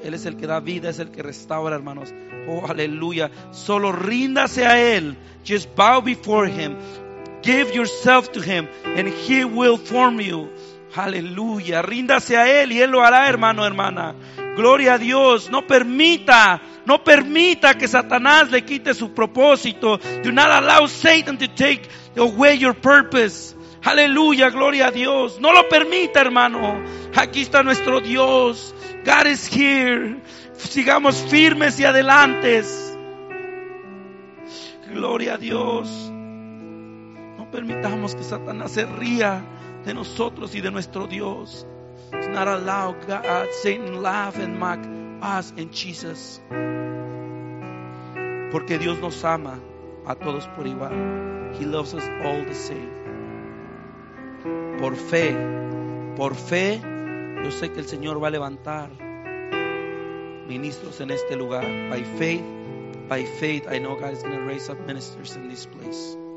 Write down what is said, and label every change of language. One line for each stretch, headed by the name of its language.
Spanish: Él es el que da vida, es el que restaura, hermanos. Oh, aleluya. Solo ríndase a Él.
English: Just bow before Him. Give yourself to Him and He will form you.
Spanish: Aleluya. Ríndase a Él y Él lo hará, hermano, hermana. Gloria a Dios. No permita que Satanás le quite su propósito.
English: Do not allow Satan to take away your purpose.
Spanish: Aleluya, gloria a Dios. No lo permita, hermano. Aquí está nuestro Dios.
English: God is here.
Spanish: Sigamos firmes y adelantes. Gloria a Dios. No permitamos que Satanás se ría de nosotros y de nuestro Dios.
English: Do not allow God, Satan, laugh and mock us and Jesus.
Spanish: Porque Dios nos ama a todos por igual.
English: He loves us all the same.
Spanish: Por fe, yo sé que el Señor va a levantar ministros en este lugar.
English: By faith, I know God is going to raise up ministers in this place.